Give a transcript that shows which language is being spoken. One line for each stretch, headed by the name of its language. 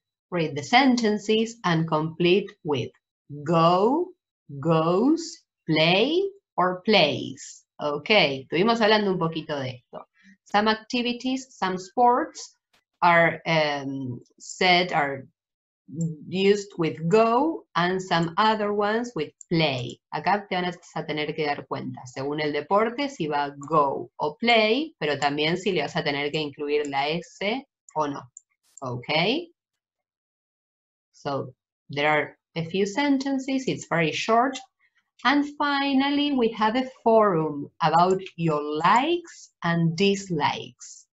English: Read the sentences and complete with go, goes, play, or plays. Okay,
Spanish: estuvimos hablando un poquito de esto.
English: Some activities, some sports are are used with go and some other ones with play.
Spanish: Acá te vas a tener que dar cuenta, según el deporte, si va go o play, pero también si le vas a tener que incluir la S o no.
English: Okay? So, there are a few sentences, it's very short. And finally, we have a forum about your likes and dislikes.